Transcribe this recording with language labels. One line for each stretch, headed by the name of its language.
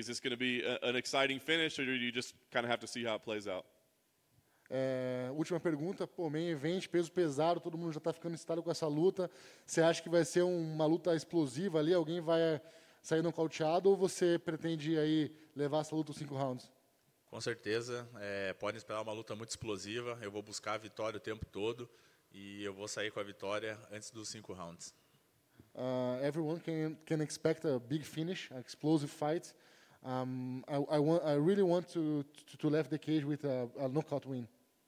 English: Is this going to be an exciting finish, or do you just kind of have to see how it plays out?
Portuguese: Última pergunta, pô, main event, peso pesado, todo mundo já está ficando excitado com essa luta. Você acha que vai ser uma luta explosiva ali? Alguém vai sair nocauteado ou você pretende aí levar essa luta os 5 rounds? Com certeza, podem esperar uma luta muito explosiva. Eu vou buscar a vitória o tempo todo e eu vou sair com a vitória antes dos 5 rounds.
English: Everyone can expect a big finish, an explosive fight. I really want to leave the cage with a knockout win.